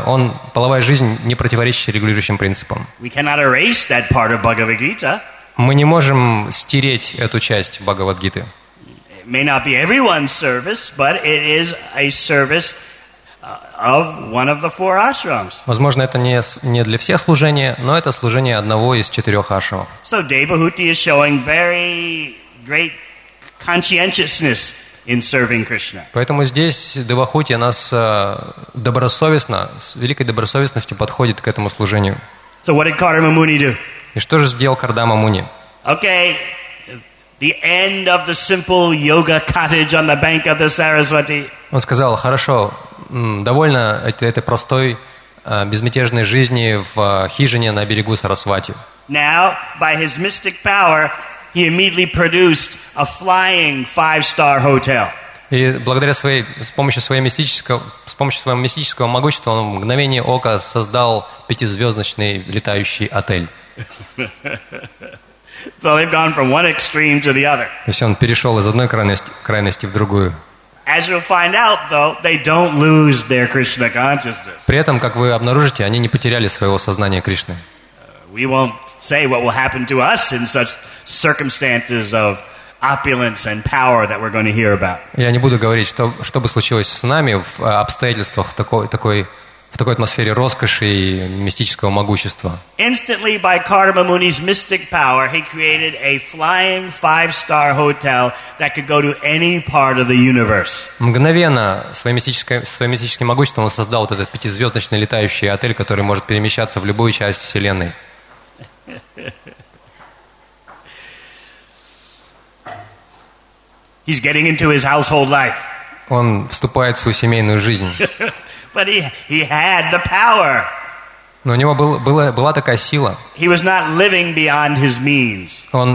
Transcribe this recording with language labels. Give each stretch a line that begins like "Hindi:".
Russian: Он половая жизнь, не противоречащая регулирующим принципам.
English: We cannot erase that part of Bhagavad-gita.
Russian: Мы не можем стереть эту часть Бхагавад-гиты.
English: It may not be everyone's service, but it is a service of one of the four ashrams.
Russian: Возможно, это не для всех служение, но это служение одного из четырех ашрамов.
English: So Devahuti is showing very great conscientiousness in serving Krishna.
Russian: Поэтому здесь Девахути нас добросовестно, с великой добросовестностью подходит к этому служению.
English: So what did Kardama Muni do?
Russian: И что же сделал Кардама Муни?
English: Okay. The end of the simple yoga cottage on the bank of the Saraswati.
Russian: Он сказал: "Хорошо, довольно этой простой безмятежной жизни в хижине на берегу Сарасвати".
English: Now, by his mystic power, he immediately produced a flying five-star hotel.
Russian: И благодаря своей с помощью своего мистического могущества, он в мгновение ока создал пятизвездочный летающий отель.
English: So they've gone from one extreme to the other.
Russian: То есть он перешел из одной крайности в другую.
English: As you'll find out, though, they don't lose their Krishna consciousness.
Russian: При этом, как вы обнаружите, они не потеряли своего сознания Кришны.
English: We won't say what will happen to us in such circumstances of opulence and power that we're going to hear about.
Russian: Я не буду говорить, что бы случилось с нами в обстоятельствах в такой атмосфере роскоши и мистического могущества.
English: Instantly, by Kardama Muni's mystic power, he created a flying five-star hotel that could go to any part of the universe.
Russian: Мгновенно своим мистическим могуществом он создал вот этот пятизвездочный летающий отель, который может перемещаться в любую часть вселенной.
English: He's getting into his household life.
Russian: Он вступает в свою семейную жизнь.
English: But he had the power.
Russian: Но у него была такая сила.
English: He was not living beyond his means.